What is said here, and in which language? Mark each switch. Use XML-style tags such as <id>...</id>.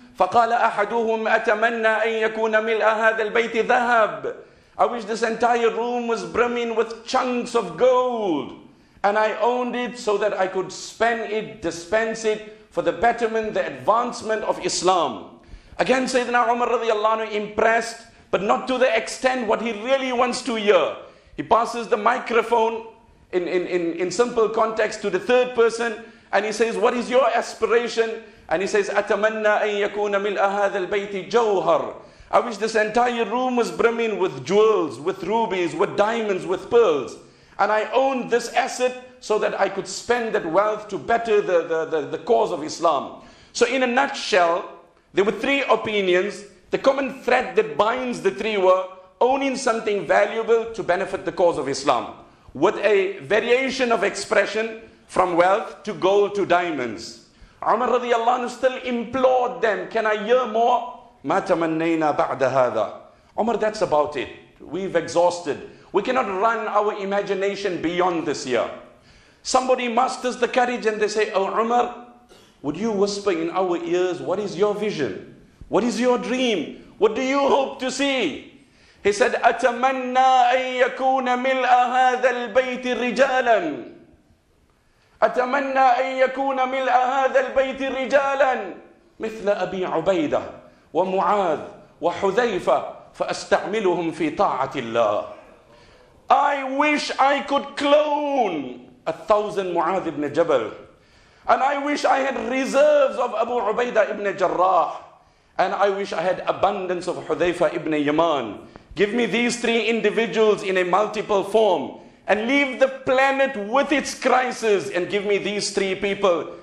<ar>فَقَالَ أَحَدُهُمْ أَتَمَنَّ أَن يَكُونَ مِلْأَ هَذَا الْبَيْتِ ذَهَبٌ.</ar> <en>I wish this entire room was brimming with chunks of gold, and I owned it so that I could spend it, dispense it for the betterment, the advancement of Islam. Again, Sayyidina Umar radiallahu anhu, impressed, but not to the extent what he really wants to hear. He passes the microphone in simple context to the third person, and he says, what is your aspiration? And he says,</en> <ar>أتمنى أن يكون ملء هذا البيت جوهر.</ar> <en>I wish this entire room was brimming with jewels, with rubies, with diamonds, with pearls. And I owned this asset so that I could spend that wealth to better the cause of Islam. So in a nutshell, there were three opinions. The common thread that binds the three were owning something valuable to benefit the cause of Islam, with a variation of expression from wealth to gold to diamonds. Umar radiallahu anhu still implored them, can I hear more?</en> <ar>مَا تَمَنَّيْنَا بَعْدَ هَذَا</ar> <en>Umar, that's about it. We've exhausted. We cannot run our imagination beyond this year. Somebody musters the courage and they say, oh Umar, would you whisper in our ears, what is your vision? What is your dream? What do you hope to see? He said,</en> <ar>أَتَمَنَّا أَن يَكُونَ مِلْءَ هَذَا الْبَيْتِ رِجَالًا أَتَمَنَّا أَن يَكُونَ مِلْءَ هَذَا الْبَيْتِ رِجَالًا مِثْلَ أَبِي عُبَيْدَةً وَمُعَاذ وَحُذَيْفَ فَأَسْتَعْمِلُهُمْ فِي طَاعَةِ اللَّهِ</ar> <en>I wish I could clone 1,000 Mu'adh ibn Jabal. And I wish I had reserves of Abu Ubaidah ibn Jarrah. And I wish I had abundance of Hudhayfa ibn Yaman. Give me these three individuals in a multiple form. And leave the planet with its crisis. And give me these three people.</en>